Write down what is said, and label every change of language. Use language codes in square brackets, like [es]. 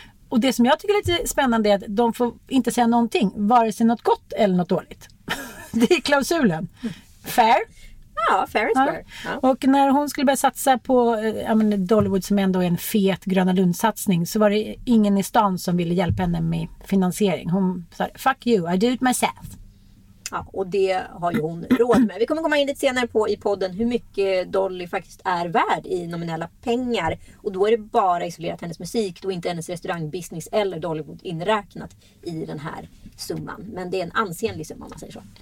[sv] Och det som jag tycker är lite spännande är att de får inte säga någonting, vare sig något gott eller något dåligt. Det är klausulen. Fair? [en] Ja, fair is fair. Ja. [sv] Och när hon skulle börja satsa på Dollywood, som ändå är en fet Gröna Lund-satsning, så var det ingen i stan som ville hjälpa henne med finansiering. Hon sa, [en] fuck you, I do it myself. [sv] Ja, och det har ju hon råd med. Vi kommer komma in lite senare på i podden hur mycket Dolly faktiskt är värd i nominella pengar. Och då är det bara isolerat hennes musik, då inte hennes restaurangbusiness eller Dollywood inräknat i den här summan. Men det är en ansenlig summa, om man säger så.